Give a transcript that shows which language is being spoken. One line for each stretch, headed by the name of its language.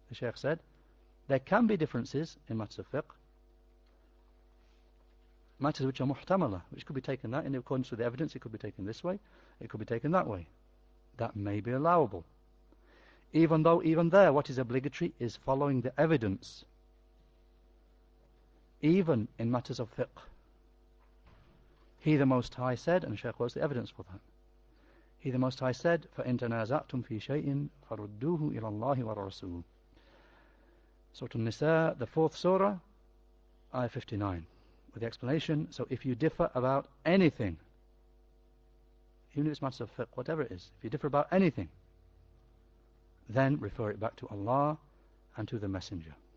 English: The Sheikh said, there can be differences in matters of fiqh, matters which are muhtamala, which could be taken that in accordance with the evidence, it could be taken this way, it could be taken that way. That may be allowable. Even though, even there, what is obligatory is following the evidence, even in matters of fiqh. He the Most High said, and Shaykh quotes the evidence for that. He the Most High said,
Arabic: فَإِن تَنَازَعْتُمْ فِي شَيْءٍ فَرُدُّوهُ إِلَى اللَّهِ وَالرَّسُولِ.
English: Surah An-Nisa, the 4th Surah, Ayah 59. With the explanation, so if you differ about anything, even if it's matters of fiqh, whatever it is, if you differ about anything, then refer it back to Allah and to the Messenger.